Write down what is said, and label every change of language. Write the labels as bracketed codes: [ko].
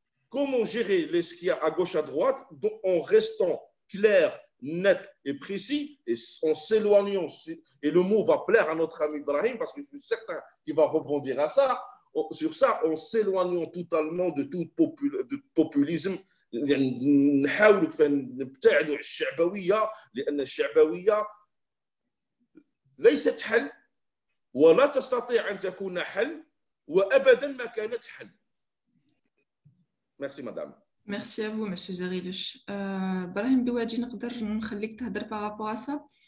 [fr] Comment gérer ce qu'il y a à gauche, à droite, en restant clair, net et précis, et en s'éloignant, et le mot va plaire à notre ami Brahim, parce que je suis certain qu'il va rebondir à ça, sur ça, en s'éloignant totalement de tout populisme. [ar] نحاول نبتعدوا عن الشعبوية لأن الشعبوية ليست حل ولا تستطيع أن تكون حل وأبدا ما كانت حل. [fr] Merci madame. Merci à vous monsieur Zarilch. Brahim Dewadji, [ar] نقدر نخليك تهدر [fr] par rapport à ça.